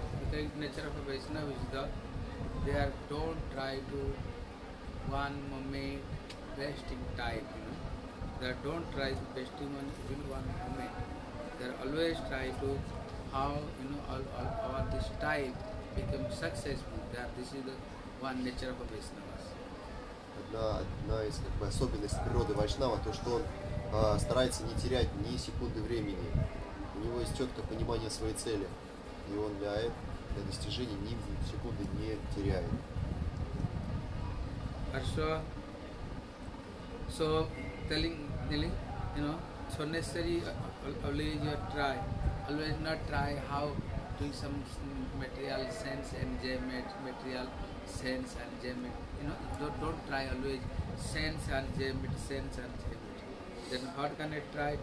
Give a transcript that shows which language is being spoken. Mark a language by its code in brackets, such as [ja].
[en] The nature of a Vaishnava is that they are don't try to one moment wasting time, you know. They don't try to wasting one moment. They always try to how, you know, all this time become successful. That this is the one nature of a Vaishnava. [ru] Одна из как бы, особенностей природы Вайшнава, то, что он старается не терять ни секунды времени. У него есть четкое понимание своей цели. И он для достижения ни секунды не теряет. Хорошо. [en] So, telling, you know, so necessary, always you try, always not try how doing some material sense and enjoyment, material sense and enjoyment. You know, don't try always sense and enjoyment. Then how can I try?